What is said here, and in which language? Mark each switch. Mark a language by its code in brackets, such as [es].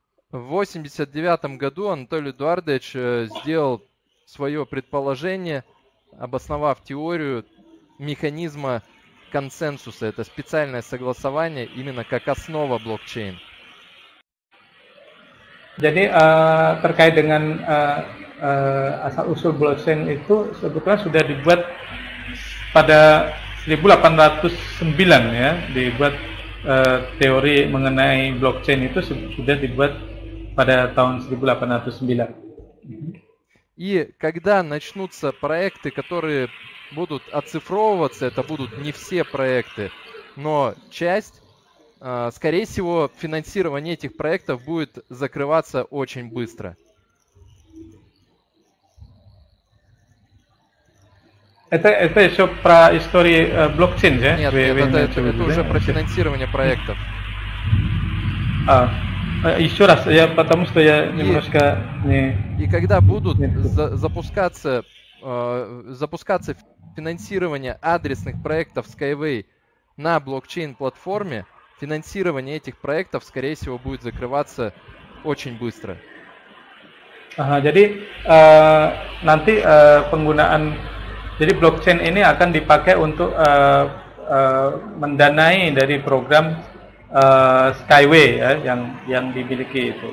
[ru] В 89 году Анатолий Эдуардович сделал своё предположение, обосновав теорию механизма консенсуса. Это специальное согласование именно как основа блокчейн. [id] Jadi terkait dengan asal-usul blockchain itu sebetulnya sudah dibuat pada 1809 ya, dibuat teori mengenai blockchain itu sudah dibuat pada tahun 1809. [ru] И когда начнутся проекты, которые будут оцифровываться, это будут не все проекты, но часть. Скорее всего, финансирование этих проектов будет закрываться очень быстро. Это еще про истории блокчейн, да? Нет, это уже про финансирование проектов. А, еще раз, потому что я немножко не... И когда будут запускаться финансирование адресных проектов Skyway на блокчейн-платформе, финансирование этих проектов, скорее всего, будет закрываться очень быстро. [id] Ага, jadi nanti penggunaan jadi blockchain ini akan dipakai untuk mendanai dari program Skyway ya, yang dimiliki itu.